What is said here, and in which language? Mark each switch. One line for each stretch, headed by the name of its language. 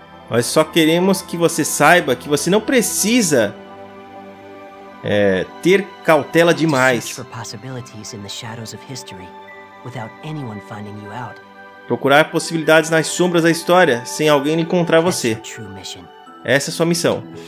Portuguese: Nós só queremos que você saiba que você não precisa ter cautela demais.
English: Search for possibilities in the shadows of history without anyone finding you out.
Portuguese: Procurar possibilidades nas sombras da história sem alguém encontrar você. Essa é sua missão.